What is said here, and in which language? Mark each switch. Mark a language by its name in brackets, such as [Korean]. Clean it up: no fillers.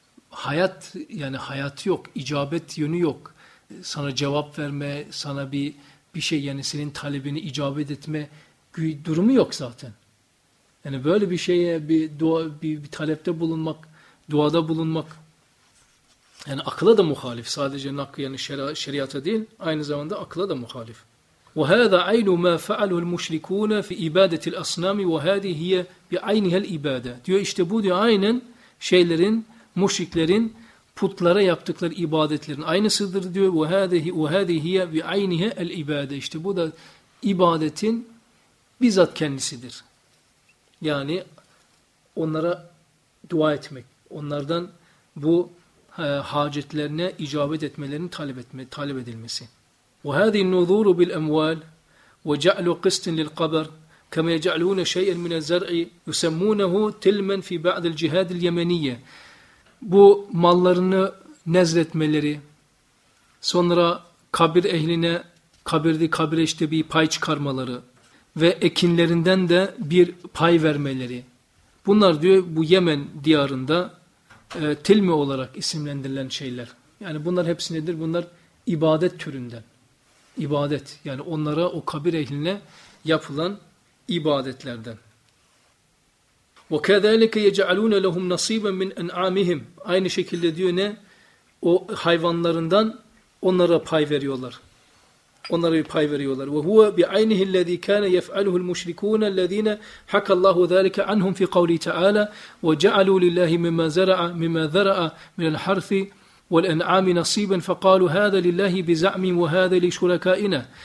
[Turkish] hayat yani hayatı yok, icabet yönü yok, sana cevap verme, sana bir şey yani senin talebini icabet etme durumu yok zaten. Yani böyle bir şeye bir dua, bir talepte bulunmak, duada bulunmak yani akla da muhalif, sadece nakli yani şeriata değil, aynı zamanda akla da muhalif. [Arabic] وهذا عين ما فعله المشركون في عبادة الأصنام وهذه هي بعينها العبادة. [Turkish] Diyor işte bu diyor aynen şeylerin, müşriklerin putlara yaptıkları ibadetlerin aynısıdır diyor. [Arabic] وهذه هي بعينها العبادة. [Turkish] İşte bu da ibadetin bizzat kendisidir. Yani onlara dua etmek, onlardan bu hacetlerine icabet etmelerini talep edilmesi. [Arabic] وهذه النذور بالأموال وجعل قسط للقبر كما يجعلون شيئا من الزرع يسمونه تلما في بعض الجهاد اليمنية. [Turkish] Bu mallarını nezretmeleri, sonra kabir ehline, kabire işte bir pay çıkarmaları ve ekinlerinden de bir pay vermeleri. Bunlar diyor bu Yemen diyarında tilmi olarak isimlendirilen şeyler. Yani bunlar hepsi nedir? Bunlar ibadet türünden. İbadet. Yani onlara, o kabir ehline yapılan ibadetlerden. [Arabic] وَكَذَٰلِكَ يَجَعَلُونَ لَهُمْ نَصِيبًا مِنْ اَنْعَامِهِمْ [Turkish] Aynı şekilde diyor ne? O hayvanlarından onlara pay veriyorlar. Onlara bir pay veriyorlar. [Arabic] وَهُوَ بِعَيْنِهِ الَّذ۪ي كَانَ يَفْعَلُهُ الْمُشْرِكُونَ الَّذ۪ينَ حَكَ اللّٰهُ ذَٰلِكَ عَنْهُمْ فِي قَوْلِهِ تَعَالَى وَجَعَلُوا لِلَّهِ مِمَّا ذَرَعَ مِنَ الْحَرْثِ والانعام نصيبا فقالوا هذا لله بزعم وهذا لشركائنا.